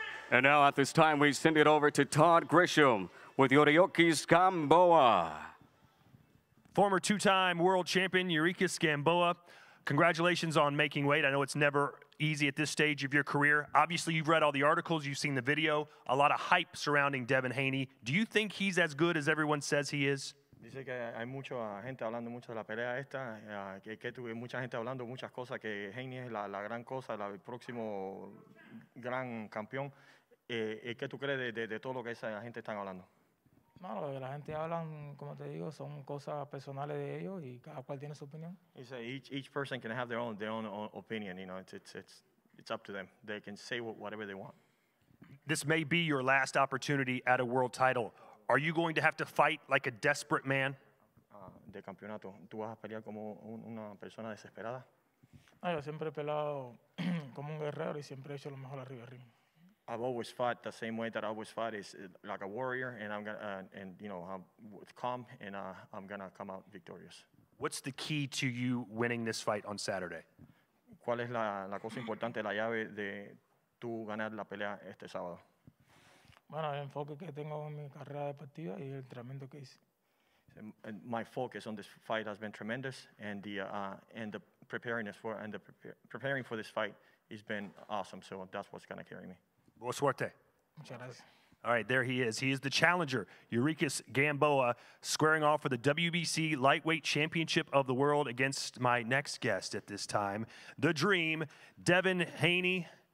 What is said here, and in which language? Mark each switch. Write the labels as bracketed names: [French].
[English] And now at this time, we send it over to Todd Grisham with Yuriorkis Gamboa. Former two-time world champion Yuriorkis Gamboa, congratulations on making weight. I know it's never easy at this stage of your career. Obviously, you've read all the articles, you've seen the video, a lot of hype surrounding Devin Haney. Do you think he's as good as everyone says he is? [Spanish] Dice que hay mucha gente hablando mucho de la pelea esta, que tuve mucha gente hablando muchas cosas, que Haney es la gran cosa, el próximo gran campeón. ¿Qué tú crees de todo lo que esa gente están hablando? No, lo que la gente hablan, como te digo, son cosas personales de ellos y cada cual tiene su opinión. [English] Dice, each person can have their own opinion, you know, it's up to them. They can say whatever they want. This may be your last opportunity at a world title. Are you going to have to fight like a desperate man? [Spanish] De campeonato. ¿Tú vas a pelear como una persona desesperada? Ah, yo siempre he peleado como un guerrero y siempre he hecho lo mejor arriba arriba. [English] I've always fought the same way that I always fought, is like a warrior, and I'm gonna, and you know, I'm with calm, and I'm gonna come out victorious. What's the key to you winning this fight on Saturday? [Spanish] ¿Cuál es la cosa importante, la llave de tú ganar la pelea este sábado? Bueno, el enfoque que tengo en mi carrera deportiva y el entrenamiento que hice. [English] And my focus on this fight has been tremendous, and the preparing for this fight has been awesome. So that's what's gonna carry me. [Spanish] Buena suerte. Muchas gracias. [English] All right, there he is. He is the challenger, Yuriorkis Gamboa, squaring off for the WBC Lightweight Championship of the World against my next guest at this time, the Dream, Devin Haney.